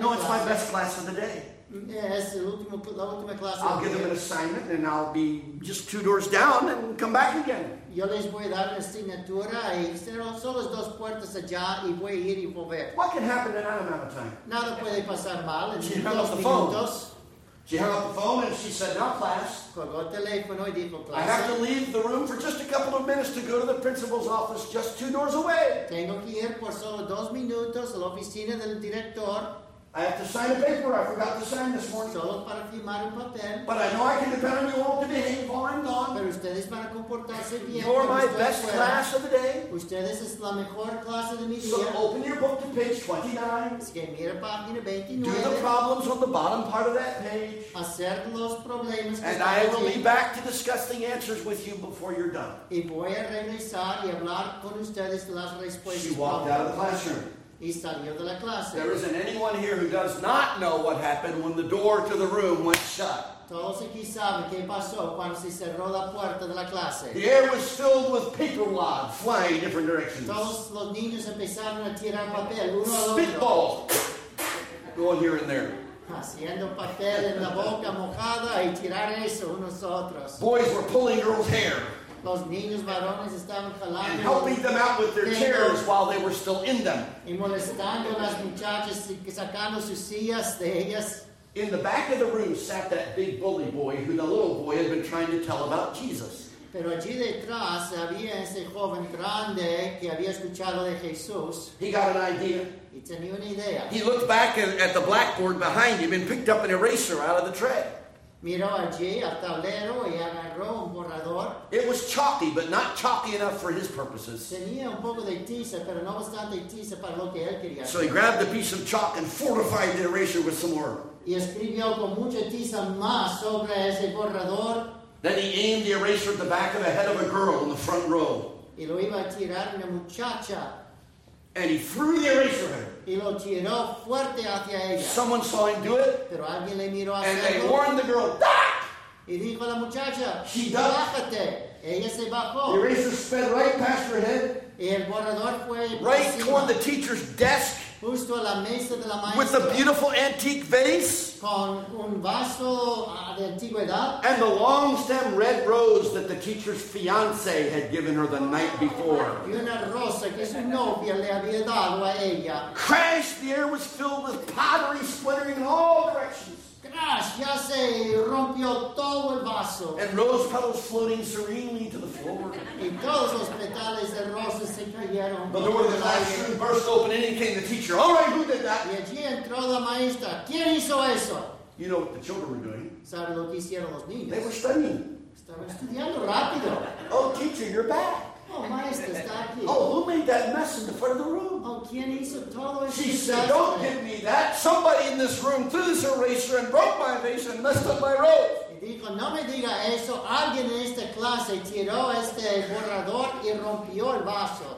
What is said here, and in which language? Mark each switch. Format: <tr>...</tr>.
<en>No, it's my best class of the day.</en> <es>Es la última clase.</es> <en>I'll give them an assignment and I'll be just two doors down and come back again.</en> <es>Yo les voy a dar la asignatura y cerro solo dos puertas allá y voy a ir y volver.</es> <en>What can happen in that amount of time?</en> <es>Nada puede pasar mal en 2 minutos.</es> <en>She hung up the phone and she said, now class.</en> <es>Colgó el teléfono y dijo, clase.</es> <en>I have to leave the room for just a couple of minutes to go to the principal's office just two doors away.</en> <es>Tengo que ir por solo 2 minutos a la oficina del director.</es> <en>I have to sign a paper I forgot to sign this morning.</en> <es>Solo para firmar un papel.</es> <en>But I know I can depend on you all to behave while I'm gone.</en> <es>Pero ustedes van a comportarse bien.</es> <en>You're my best class of the day.</en> <es>Ustedes es la mejor clase de mi día.</es> <en>So open your book to page 29.</en> <es>Es que mira página 29.</es> <en>Do the problems on the bottom part of that page.</en> <es>Hacer los problemas.</es> <en>And I will be back to discuss the answers with you before you're done.</en> <es>Y voy a regresar y hablar con ustedes las respuestas.</es> <en>She walked out of the classroom.</en> <es>Y salió de la clase.</es> <en>There isn't anyone here who does not know what happened when the door to the room went shut.</en> <es>Todos aquí saben qué pasó cuando se cerró la puerta de la clase.</es> <en>The air was filled with paper wads flying in different directions.</en> <es>Todos los niños empezaron a tirar papel uno al otro.</es> <en>Spitball going here and there.</en> <es>Haciendo papel en la boca mojada y tirar eso unos otros.</es> <en>Boys were pulling girls' hair.</en> <es>Los niños varones estaban jalando</es> <en>and helping them out with their chairs while they were still in them.</en> <es>Y molestando a las muchachas sacando sus sillas de ellas.</es> <en>In the back of the room sat that big bully boy who the little boy had been trying to tell about Jesus.</en> <es>Pero allí detrás había ese joven grande que había escuchado de Jesús.</es> <en>He got an idea.</en> <es>Y tenía una idea.</es> <en>He looked back at the blackboard behind him and picked up an eraser out of the tray.</en> <es>Miró allí al tablero y agarró un borrador.</es> <en>It was chalky, but not chalky enough for his purposes.</en> <es>Tenía un poco de tiza, pero no bastante tiza para lo que él quería.</es> <en>So he grabbed a piece of chalk and fortified the eraser with some more.</en> <es>Y escribió con mucha tiza más sobre ese borrador.</es> <en>Then he aimed the eraser at the back of the head of a girl in the front row.</en> <es>Y lo iba a tirar una muchacha.</es> <en>And he threw the eraser at her.</en> <es>Y lo tiró fuerte hacia ella.</es> <en>Someone saw him do it.</en> <es>Pero alguien le miró hacia</es> <en>and they warned the girl, duck!</en> <es>Y dijo la muchacha,</es> <en>she ducked.</en> <es>Bájate. Ella se bajó.</es> <en>The eraser sped right past her head.</en> <es>Y el borrador fue</es> <en>right toward the teacher's desk.</en> <es>justo a la mesa de la maestra,</es> <en>with a beautiful antique vase,</en> <es>con un vaso de antigüedad,</es> <en>and the long stem red rose that the teacher's fiance had given her the night before.</en> <es>Y una rosa que su novia le había dado a ella.</es> <en>Crash, the air was filled with pottery splintering in all directions.</en> <es>Crash, ya se rompió todo el vaso.</es> <en>And rose petals floating serenely to the floor.</en> <es>Y todos los petales de rosa se cayeron.</es> <en>The door of the classroom burst open and in came the teacher. All right, who did that?</en> <es>Y allí entró la maestra. ¿Quién hizo eso?</es> <en>You know what the children were doing.</en> <es>¿Sabe lo que hicieron los niños?</es> <en>They were studying.</en> <es>Estaban estudiando rápido.</es> <en>Oh, teacher, you're back.</en> <es>Oh, maestra, está aquí.</es> <en>Oh, who made that mess in the front of the room?</en> <es>¿Quién hizo todo eso?</es> <en>She said, don't give me that. Somebody in this room threw this eraser and broke my vase and messed up my robe.</en> <es>Y dijo, no me diga eso. Alguien en esta clase tiró este borrador y rompió el vaso.</es>